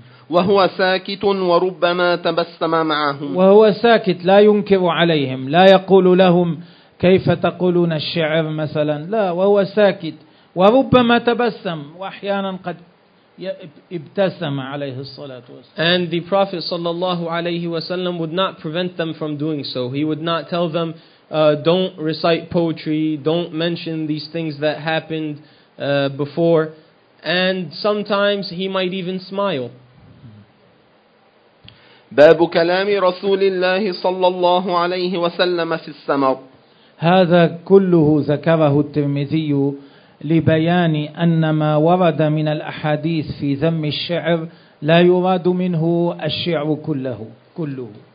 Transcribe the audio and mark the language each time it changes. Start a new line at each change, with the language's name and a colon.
Arabic: وهو ساكت وربما تبسم معهم. وهو ساكت لا ينكر عليهم، لا يقول لهم كيف تقولون الشعر مثلا، لا، وهو ساكت وربما تبسم، واحيانا قد ابتسم عليه الصلاة والسلام.
English: And the Prophet sallallahu alayhi wa sallam would not prevent them from doing so. He would not tell them don't recite poetry, don't mention these things that happened before. And sometimes he might even smile.
Arabic: باب كلام رسول الله صلى الله عليه وسلم في السمر. هذا كله ذكره الترمذي لبيان أن ما ورد من الأحاديث في ذم الشعر لا يراد منه الشعر كله.